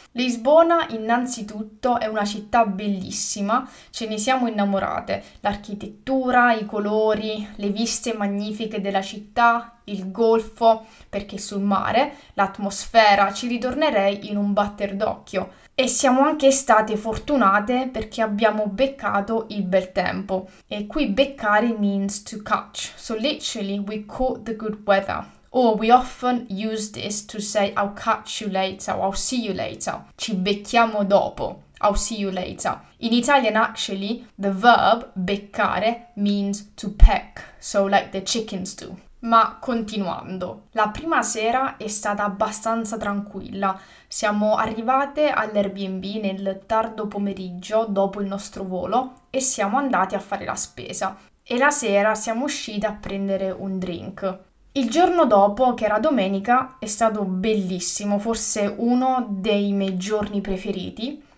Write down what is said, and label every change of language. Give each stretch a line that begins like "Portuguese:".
Italian: Lisbona innanzitutto è una città bellissima, ce ne siamo innamorate, l'architettura, i colori, le viste magnifiche della città, il golfo, perché sul mare, l'atmosfera, ci ritornerei in un batter d'occhio. E siamo anche state fortunate perché abbiamo beccato il bel tempo. E qui
English: beccare means to catch, so literally we caught the good weather. Or we often use this to say I'll catch you later, or I'll see you later.
Italian: Ci becchiamo dopo,
English: I'll see you later. In Italian actually, the verb beccare means to peck, so like the chickens do.
Italian: Ma continuando, la prima sera è stata abbastanza tranquilla. Siamo arrivate all'Airbnb nel tardo pomeriggio dopo il nostro volo e siamo andate a fare la spesa. E la sera siamo uscite a prendere un drink. Il giorno dopo, che era domenica, è stato bellissimo, forse uno dei miei giorni preferiti.